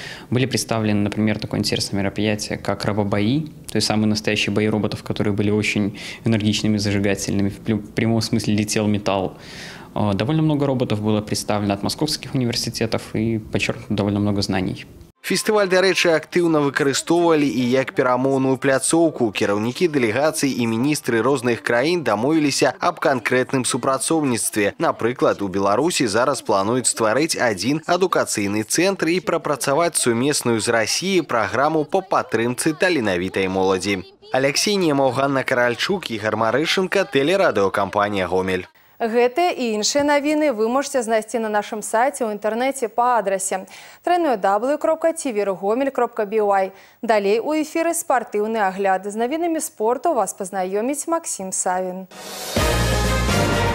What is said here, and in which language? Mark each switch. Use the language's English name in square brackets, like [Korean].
[Russian] Были представлены, например, такое интересное мероприятие, как робобои, то есть самые настоящие бои роботов, которые были очень энергичными, зажигательными, в прямом смысле летел металл. Довольно много роботов было представлено от московских университетов и подчеркнуто довольно много знаний. [Belarusian] Фестываль, дарэчы, актыўна выкарыстоўвалі і як перамоўную пляцоўку. Кіраўнікі дэлегацый і міністры розных краін дамовіліся аб канкрэтным супрацоўніцтве. Напрыклад, у Беларусі зараз плануюць стварыць адзін адукацыйны цэнтр і прапрацаваць сумесную з Расіяй праграму па падтрымцы таленавітай моладзі. Алексей Немаў, Ганна Каральчук, Ігар Марышынка, тэлерадыёкампанія Гомель. Гэтыя і іншыя навіны вы можаце знайсці на нашым сайце ў інтэрнэце па адрасе www.tvrgomel.by. Далей у эфіры спартыўны агляд. З навінамі спорту вас пазнаёміць Максім Савін.